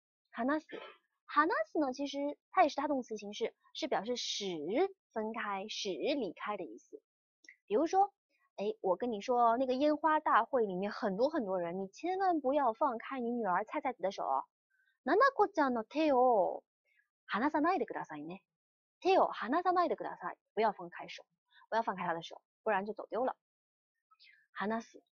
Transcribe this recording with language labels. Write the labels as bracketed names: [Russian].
[Chinese] 話す呢，其实它也是它动词形式，是表示使分开、使离开的意思。比如说。哎，我跟你说，那个烟花大会里面很多很多人，你千万不要放开你女儿菜菜子的手。 [Japanese] ななこちゃんの手を離さないでくださいね。手を離さないでください。 [Chinese] 不要放开手，不要放开她的手，不然就走丢了。離す。